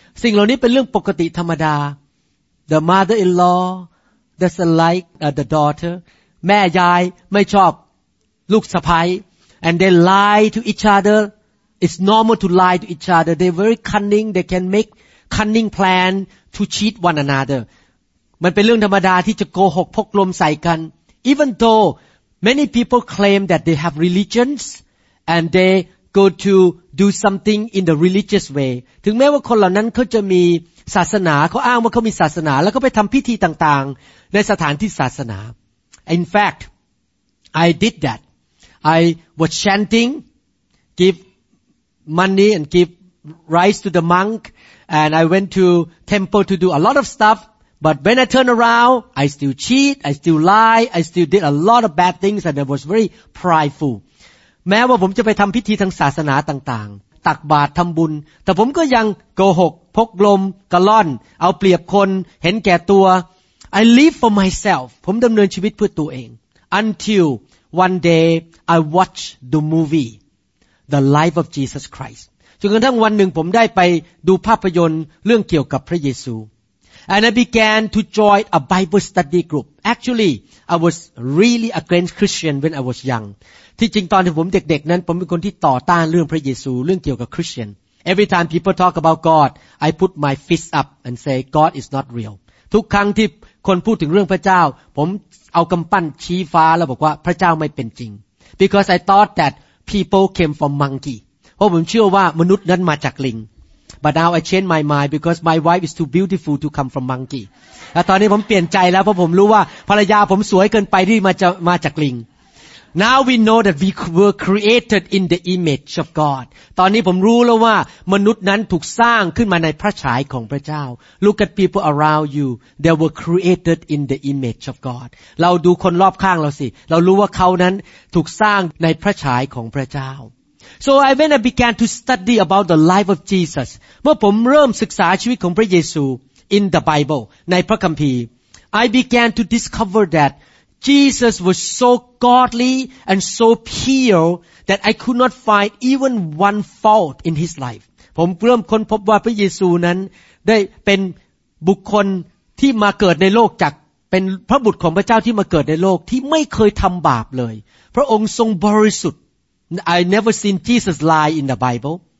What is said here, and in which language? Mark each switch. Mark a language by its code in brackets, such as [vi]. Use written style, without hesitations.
[th] สิ่งเหล่านี้เป็นเรื่องปกติธรรมดา [en] The mother-in-lawThat's like the daughter. [th] แม่ยายไม่ชอบลูกสะใภ้ [en] and they lie to each other. It's normal to lie to each other. They're very cunning. They can make cunning plan to cheat one another. [th] มันเป็นเรื่องธรรมดาที่จะโกหกพกลมใส่กัน [en] Even though many people claim that they have religions and they go to do something in the religious way. [th] ถึงแม้ว่าคนเหล่านั้นเขาจะมีศาสนาเขาอ้างว่าเขามีศาสนาแล้วก็ไปทำพิธีต่างๆในสถานที่ศาสนา [en] In fact I did that I was chanting give money and give rice to the monk and I went to temple to do a lot of stuff but when I turn around I still cheat I still lie I still did a lot of bad things and I was very prideful [th] แม้ว่าผมจะไปทำพิธีทางศาสนาต่างๆตักบาตรทำบุญแต่ผมก็ยังโกหกพกลมกะล่อนเอาเปรียบคนเห็นแก่ตัว [en] I live for myself [th] ผมดำเนินชีวิตเพื่อตัวเอง [en] Until one day I watch the movie The Life of Jesus Christ [th] จนกระทั่งวันหนึ่งผมได้ไปดูภาพยนตร์เรื่องเกี่ยวกับพระเยซู [en] And I began to join a Bible study group. Actually, I was really against Christian when I was young. [th] ที่จริงตอนที่ผมเด็กๆนั้นผมเป็นคนที่ต่อต้านเรื่องพระเยซูเรื่องเกี่ยวกับคริสเตียน [en] Every time people talk about God, I put my fist up and say God is not real. [th] ทุกครั้งที่คนพูดถึงเรื่องพระเจ้าผมเอากำปั้นชี้ฟ้าแล้วบอกว่าพระเจ้าไม่เป็นจริง [en] Because I thought that people came from monkey. [th] เพราะผมเชื่อว่ามนุษย์นั้นมาจากลิง [en] But now I change my mind because my wife is too beautiful to come from monkey. And now I change my mind because my wife is too beautiful to Now we know that we were created in the image of God. Now I know that man was created in the image of God. Look at people around you. They were created in the image of God. We look at people around us. We know that they were created in the image of God. So I when I began to study about the life of Jesus, [th] เมื่อผมเริ่มศึกษาชีวิตของพระเยซู [en] in the Bible [th] ในพระคัมภีร์ [en] I began to discover that Jesus was so godly and so pure that I could not find even one fault in his life. [th] ผมเริ่มค้นพบว่าพระเยซูนั้นได้เป็นบุคคลที่มาเกิดในโลกจากเป็นพระบุตรของพระเจ้าที่มาเกิดในโลกที่ไม่เคยทำบาปเลยพระองค์ทรงบริสุทธิ์ [en] I never seen Jesus lie in the Bible.